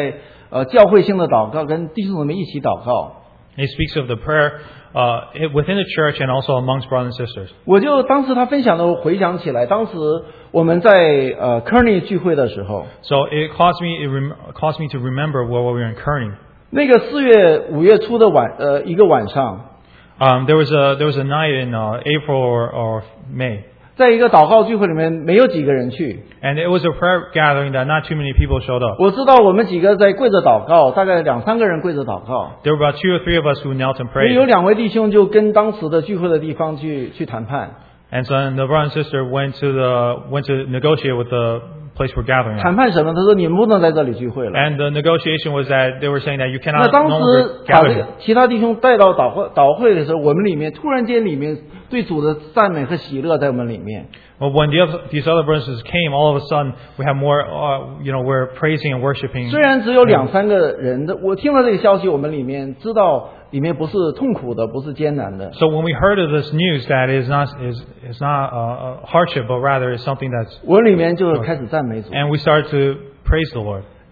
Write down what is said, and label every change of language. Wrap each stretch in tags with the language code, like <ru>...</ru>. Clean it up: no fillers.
<zh>他讲到许多，想我们要祷告，我们在教会性的祷告，跟弟兄们一起祷告。</zh> <en>He speaks of the prayer, within the church and also amongst brothers and sisters.</en> <zh>我就当时他分享的，我回想起来，当时我们在Kearney 聚会的时候。</zh> <en>So it caused me, to remember where we were in Kearney.</en> <zh>那个四月五月初的晚，一个晚上，</zh> <en>there was a night in April or May.</en> <zh>在一个祷告聚会里面，没有几个人去。</zh> <en>And it was a prayer gathering that not too many people showed up.</en> <zh>我知道我们几个在跪着祷告，大概两三个人跪着祷告。</zh> <en>There were about 2 or 3 of us who knelt and prayed.</en> <zh>有两位弟兄就跟当时的聚会的地方去谈判。</zh> <en>And so the brother and sister went to negotiate with the place we're gathering at.</en> <zh>谈判什么, 他说你们不能在这里聚会了。</zh> <en>And the negotiation was that they were saying that you cannot no longer gather here.</en> <zh>其他弟兄带到祷会的时候,我们里面突然间里面对主的赞美和喜乐在我们里面。</zh> <en>But when these other verses came, all of a sudden we have more, we're praising and worshiping.</en> <zh>虽然只有两三个人的，我听了这个消息，我们里面知道里面不是痛苦的，不是艰难的。</zh> <en>So when we heard of this news, that is not a hardship, but rather is something that's.</en> <zh>我里面就开始赞美主。</zh> <en>And we started to praise the Lord.</en>